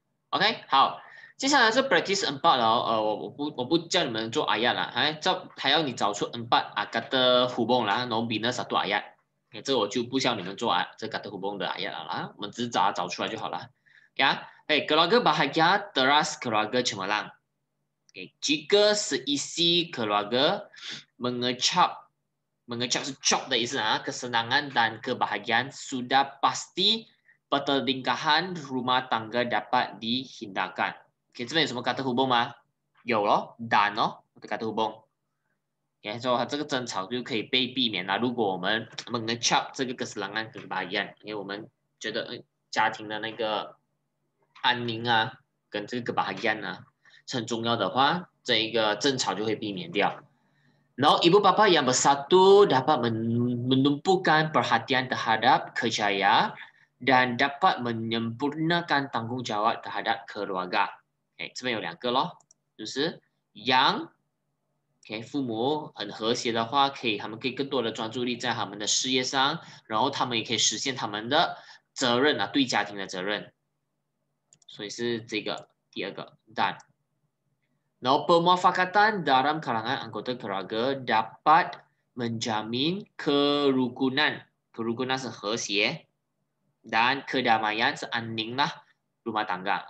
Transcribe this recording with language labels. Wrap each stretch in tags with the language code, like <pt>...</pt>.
<zh>OK， 好，接下来是 practice 4了、哦、我不叫你们做 ayat 啦，还要你找出4 agar 的 hubung 啦，然后</zh> <ms>bina satu ayat，</ms> <zh>这我就不叫你们做 agar 的 hubung 的 ayat 了啦，我们只找出来就好了。呀、yeah?</zh> <ms>hey, ，哎 ，keluarga bahagia teras keluarga cemerlang， 哎 ，jika seisi keluarga mengecap</ms> <zh>是 chop 的意思啊，</zh> <ms>kesenangan dan kebahagiaan sudah pasti。 Pertelingkahan rumah tangga dapat dihindarkan.</ms> <zh>Okay, 这边有什么kata hubung吗？有咯 ，dan 咯，kata hubung。 Okay, so 这个争吵就可以被避免了。如果我们mengecap这个</zh> <ms>kesenangan dan kebahagiaan，</ms> <zh>因为我们觉得家庭的那个安宁啊，跟这个kebahagiaan啊，是很重要的话，这一个争吵就会避免掉。</zh> <ms>然后 ibu bapa yang bersatu dapat menumpukan perhatian terhadap kerjaya. Dan dapat menyempurnakan tanggungjawab terhadap keluarga.</ms> <zh>Okay, 这边有两个咯，就是 yang， okay， 父母很和谐的话，可以他们可以更多的专注力在他们的事业上，然后他们也可以实现他们的责任啊，对家庭的责任。所以是这个第二个 done。</zh> <ms>Now pemufakatan dalam kalangan anggota keluarga dapat menjamin kerukunan. Kerukunan adalah 和谐 dan kedamaian adalah</ms> <zh>安宁啦</zh> <ms>rumah tangga.</ms>